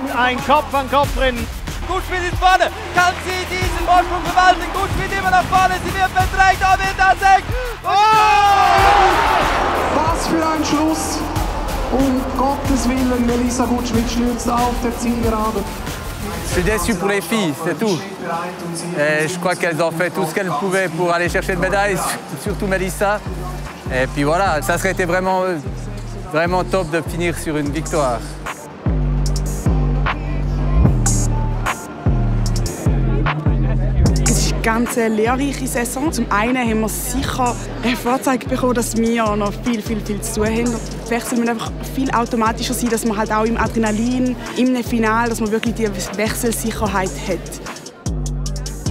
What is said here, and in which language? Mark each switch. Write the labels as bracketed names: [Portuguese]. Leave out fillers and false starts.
[German] ein Kopf an Kopf drin. Gutschmidt ist vorne, kann sie diesen Vorsprung verwalten? Gutschmidt immer nach vorne, sie wird bedrängt, aber wird das eng. Oh! Was für ein Schluss! Um Gottes Willen, Melissa Gutschmidt stürzt auf der Zielgerade. [French] Je suis déçu pour les filles, c'est tout. Et je crois qu'elles ont fait tout ce qu'elles pouvaient pour aller chercher une médaille, surtout Melissa. Et puis voilà, ça serait été vraiment, vraiment top de finir sur une victoire. [German] Eine ganz lehrreiche Saison. Zum einen haben wir sicher eine Vorzeige bekommen, dass wir noch viel, viel, viel zu tun haben. Die Wechsel müssen einfach viel automatischer sein, dass man halt auch im Adrenalin, im Finale, dass man wirklich die Wechselsicherheit hat.